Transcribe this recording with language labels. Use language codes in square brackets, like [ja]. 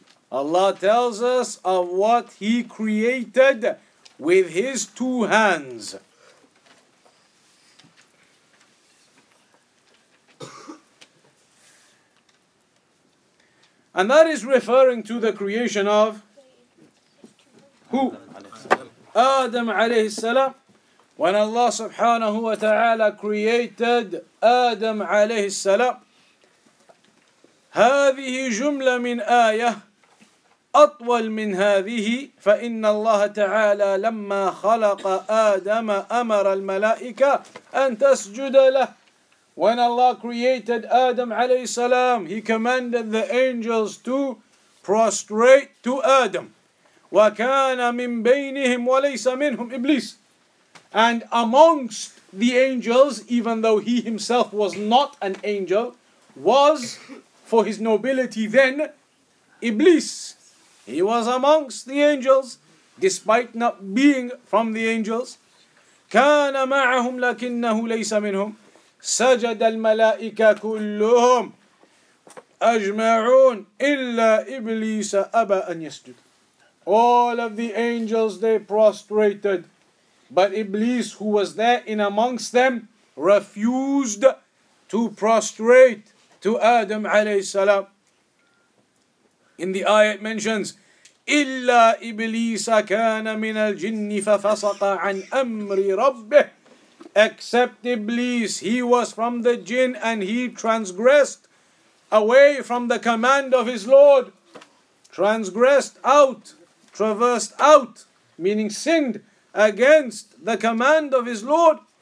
[en] Allah tells us of what He created with His two hands. And that is referring to the creation of who? Adam alayhi salam. When Allah subhanahu wa ta'ala created Adam alayhi salam, [ar] هذه جملة من آية أطول من هذه فإن الله تعالى لما خلق آدم أمر الملائكة أن تسجد له. [en] When Allah created Adam alayhi salam, He commanded the angels to prostrate to Adam. [ar] وَكَانَ مِنْ بَيْنِهِمْ وَلَيْسَ مِنْهُمْ إِبْلِيسِ. [en] And amongst the angels, even though he himself was not an angel, was, for his nobility then, Iblis. He was amongst the angels, despite not being from the angels. [ar] كَانَ مَعَهُمْ لَكِنَّهُ لَيْسَ مِنْهُمْ. سجد الملائكة كلهم أجمعون إلا إبليس أبى أن يسجد. [en] All of the angels, they prostrated, but Iblis, who was there in amongst them, refused to prostrate to Adam عليه السلام. In the ayah it mentions, [ar] إلا إبليس كان من الجن ففسق عن أمر ربه. [en] Except Iblis, he was from the jinn and he transgressed away from the command of his Lord. Traversed out, meaning sinned against the command of his Lord.